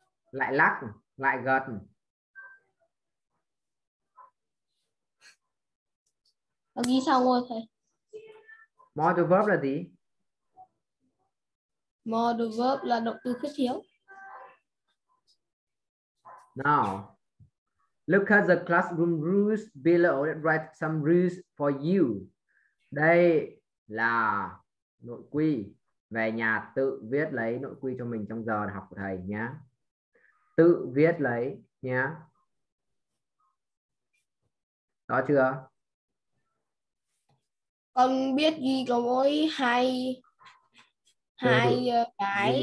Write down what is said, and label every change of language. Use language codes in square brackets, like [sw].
[vi] Lại lắc, lại gật. Nó ghi xong rồi thầy. Modal verb là gì? Mode verb là động từ khứ thiếu. [en] Now, look at the classroom rules below and write some rules for you. [vi] Đây là nội quy. Về nhà tự viết lấy nội quy cho mình trong giờ học của thầy nhé. Tự viết lấy nhé. Đó chưa? Con biết ghi có mỗi hai hai cái